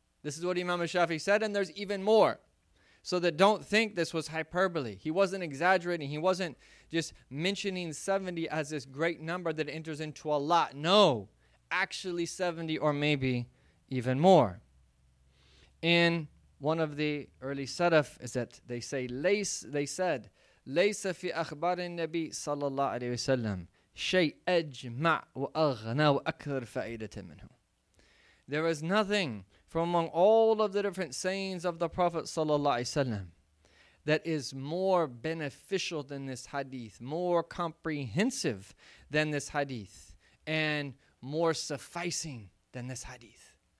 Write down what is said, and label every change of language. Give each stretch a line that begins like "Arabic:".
English: This is what Imam al-Shafi said, and there's even more. So that don't think this was hyperbole. He wasn't exaggerating. He wasn't just mentioning 70 as this great number that enters into a lot. No, actually 70 or maybe even more. And One of the early Salaf is that they say, they said,
Arabic: لَيْسَ فِي أَخْبَارِ النَّبِي صَلَى اللَّهُ عَلَيْهِ وَسَلَّمُ شَيْ أَجْمَعْ وَأَغْنَى وَأَكْثَرْ فَائِدَةً مِنْهُ.
English: There is nothing from among all of the different sayings of the Prophet ﷺ that is more beneficial than this hadith, more comprehensive than this hadith, and more sufficing than this hadith.